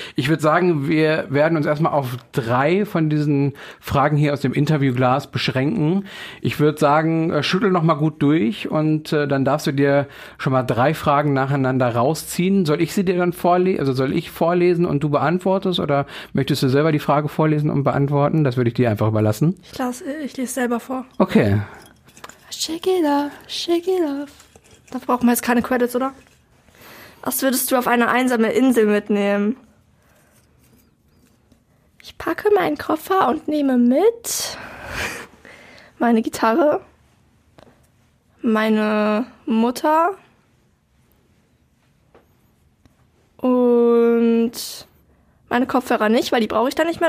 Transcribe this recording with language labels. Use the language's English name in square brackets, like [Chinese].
[German] Ich würde sagen, wir werden uns erstmal auf 3 von diesen Fragen hier aus dem Interviewglas beschränken. Ich würde sagen, schüttel nochmal gut durch und dann darfst du dir schon mal 3 Fragen nacheinander rausziehen. Soll ich sie dir dann vorlesen, also soll ich vorlesen und du beantwortest oder möchtest du selber die Frage vorlesen und beantworten? Das würde ich dir einfach überlassen. Ich lese selber vor. Okay. [English] Shake it off, shake it off. [German] Da brauchen wir jetzt keine Credits, oder? Was würdest du auf eine einsame Insel mitnehmen? Ich packe meinen Koffer und nehme mit meine Gitarre, meine Mutter und meine Kopfhörer nicht, weil die brauche ich dann nicht mehr.